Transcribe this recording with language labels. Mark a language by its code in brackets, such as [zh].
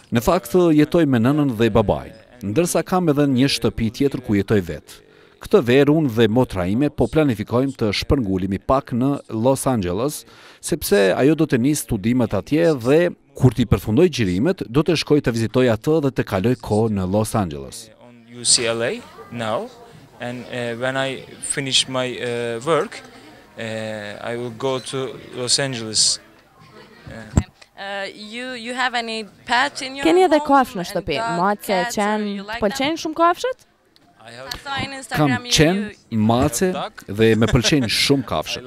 [sq] në fakt jetoj me nënën dhe babain, ndërsa kam edhe një shtëpi tjetër ku jetoj vetë. Këtë verë unë dhe motra ime po planifikojmë të shpërngulimi pak në Los Angeles, sepse ajo do të nisë studimet atje dhe kur ti përfundoj gjirimet, do të shkoj të vizitoj atë dhe të kaloj kohë në Los Angeles. [en] On UCLA now, and when I finish my work, I will go to Los Angeles. You have any pets in your [sq] keni edhe kafshë në shtëpi? Mace, qen, të pëlqejnë shumë kafshët? Kam qen, mace dhe më pëlqejnë shumë kafshët.